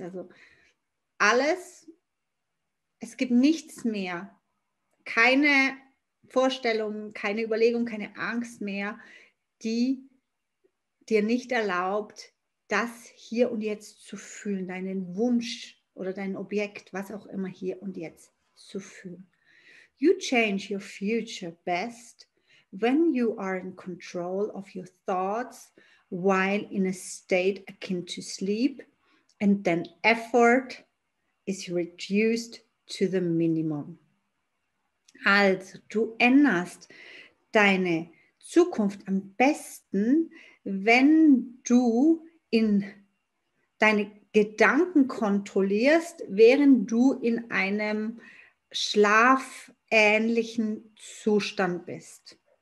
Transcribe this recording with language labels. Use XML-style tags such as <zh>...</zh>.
<de>Also alles, es gibt nichts mehr, keine Vorstellungen, keine Überlegung, keine Angst mehr, die dir nicht erlaubt, das hier und jetzt zu fühlen, deinen Wunsch oder dein Objekt, was auch immer hier und jetzt zu fühlen.</de> <en>You change your future best when you are in control of your thoughts while in a state akin to sleep, and then effort is reduced to the minimum.</en> <de>Also, du änderst deine Zukunft am besten, wenn du in deine Gedanken kontrollierst, während du in einem schlafähnlichen Zustand bist.</de>